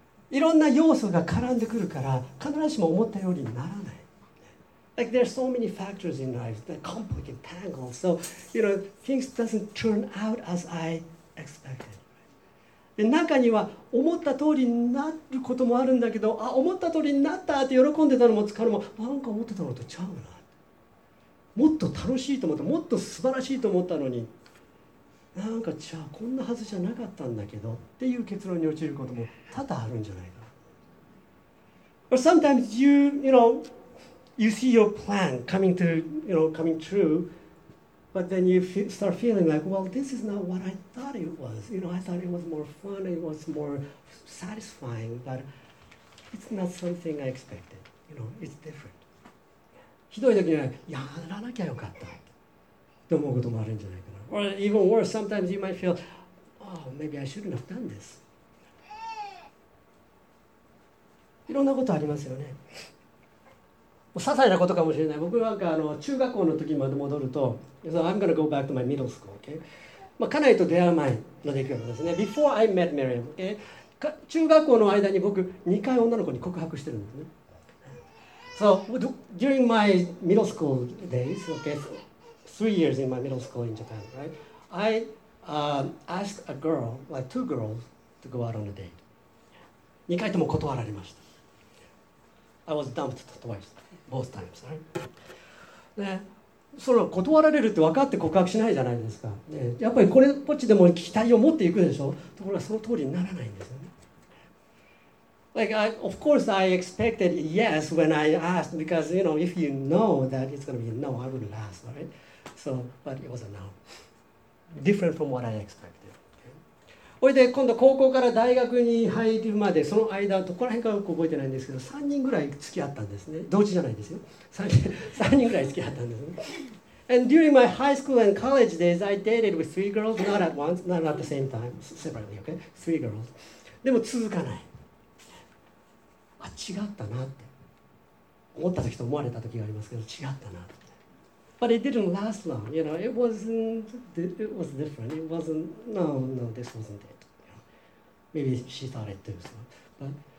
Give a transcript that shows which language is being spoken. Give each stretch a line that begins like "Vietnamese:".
Japanese: いろんな要素が絡んでくるから必ずしも思ったようにならない。
English: Like there are so many factors in life that complicate, tangle. So you know things doesn't turn out as I expected.
Japanese: で中には思った通りになることもあるんだけど、あ思った通りになったって喜んでたのも疲れも、なんか思ってたのとちゃうな。もっと楽しいと思った、もっと素晴らしいと思ったのに。なんかじゃあこんなはずじゃなかったんだけどっていう結論に落ちることも多々あるんじゃないか。
English: Or sometimes you see your plan coming to, you know, coming true, but then you start feeling like, well, this is not what I thought it was. You know, I thought it was more fun, it was more satisfying, but it's not something I expected. You know, it's different.
Japanese: ひどい時にはやらなきゃよかったって思うこともあるんじゃないか。
English: Or even worse, sometimes you might feel, oh, maybe I shouldn't have done this.
Japanese: いろんなことありますよね。些細なことかもしれない。僕なんかあの中学校の時まで戻ると、
English: So I'm gonna go back to my middle school, okay?
Japanese: まあ、家内と出会う前の出来事ですね。
English: Before I met Miriam, okay?
Japanese: 中学校の間に僕2回女の子に告白してるんですね。
English: So during my middle school days, okay? So,3 years in my middle school in Japan, right? I asked a girl, like two girls, to go out on a date.
Japanese: 2回とも断られました。
English: I was dumped twice, both times, right?
Japanese: で、それは断られるって分かって告白しないじゃないですか。で、やっぱりこれっぽっちでも期待を持っていくでしょ。ところがその通りにならないんですよね。
English: Like, I, of course, I expected yes when I asked, because, you know, if you know that it's going to be no, I wouldn't ask, right? So, but it was a no. Different from what I expected.
Japanese: それで今度高校から大学に入るまでその間どこら辺かよく覚えてないんですけど、3人ぐらい付き合ったんですね。同時じゃないですよ。 3人ぐらい付き合ったんですね。
English: And during my high school and college days, I dated with three girls, not at once, not at the same time, separately, okay? Three girls.
Japanese: でも続かない。あ、違ったなって思った時と思われた時がありますけど、違ったなって。
English: But it didn't last long, you know. It wasn't. It was different. It wasn't. No. This wasn't it. You know? Maybe she thought it too. So, but